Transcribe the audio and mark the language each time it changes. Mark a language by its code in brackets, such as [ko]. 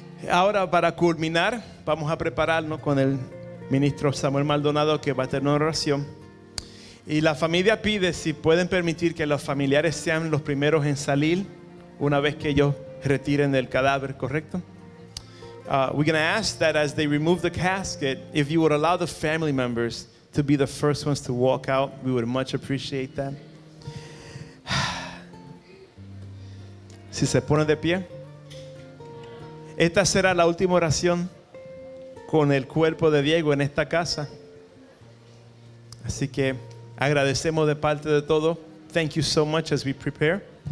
[es] Ahora, para culminar, vamos a prepararnos con el ministro Samuel Maldonado, que va a tener una oración. Y la familia pide si pueden permitir que los familiares sean los primeros en salir una vez que ellos retiren el cadáver, ¿correcto? [en] We're going to ask that as they remove the casket, if you would allow the family members to be the first ones to walk out, we would much appreciate that. [es] Si se pone de pie, esta será la última oración con el cuerpo de Diego en esta casa. Así que agradecemos de parte de todo. [en] Thank you so much as we prepare.